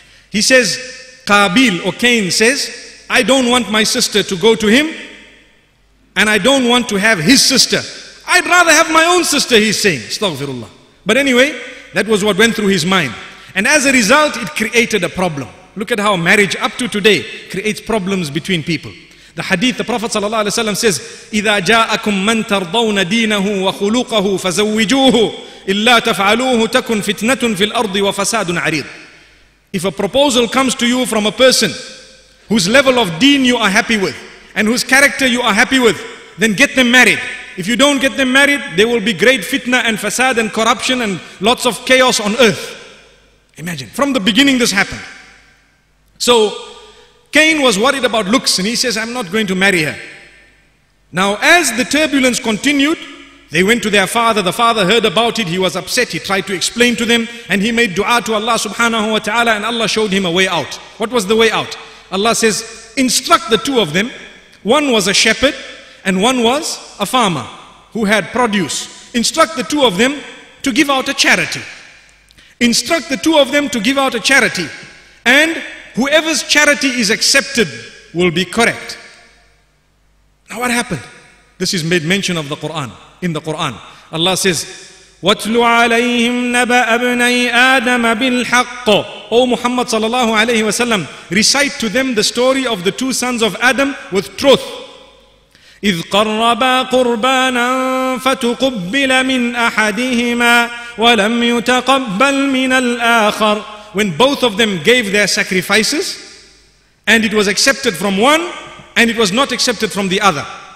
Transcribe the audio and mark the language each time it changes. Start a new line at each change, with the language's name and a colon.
English: He says, Qabil or Cain says, I don't want my sister to go to him, and I don't want to have his sister. I'd rather have my own sister, he's saying. Astaghfirullah. But anyway, that was what went through his mind. And as a result, it created a problem. Look at how marriage up to today creates problems between people. The hadith, the Prophet sallallahu alaihi wasallam says,
Arabic: إِذَا جَاءَكُمْ مَنْ تَرْضَوْنَ دِينَهُ وَخُلُوقَهُ فَزَوِّجُوهُ إِلَّا تَفْعَلُوهُ تَكُنْ فِتْنَةٌ فِي الْأَرْضِ وَفَسَادٌ عَرِيضٌ.
English: If a proposal comes to you from a person whose level of deen you are happy with and whose character you are happy with, then get them married. If you don't get them married, there will be great fitna and fasad and corruption and lots of chaos on earth. Imagine, from the beginning this happened. So Cain was worried about looks, and he says, I'm not going to marry her. Now as the turbulence continued, they went to their father. The father heard about it. He was upset. He tried to explain to them, and he made dua to Allah subhanahu wa ta'ala, and Allah showed him a way out. What was the way out? Allah says, instruct the two of them. One was a shepherd and one was a farmer who had produce. Instruct the two of them to give out a charity. Instruct the two of them to give out a charity, and whoever's charity is accepted will be correct. Now what happened? This is made mention of the Qur'an. In the Qur'an, Allah says,
Arabic: وَاتْلُ عَلَيْهِمْ نَبَأَ أَبْنَيْ آدَمَ بِالْحَقِّ.
English: O Muhammad sallallahu alayhi wa sallam, recite to them the story of the two sons of Adam with truth.
Arabic: إِذْ قَرَّبَا قُرْبَانًا فَتُقُبِّلَ مِنْ أَحَدِهِمَا وَلَمْ يُتَقَبَّلْ مِنَ الْآخَرِ.
English: When both of them gave their sacrifices, and it was accepted from one, and it was not accepted from the other.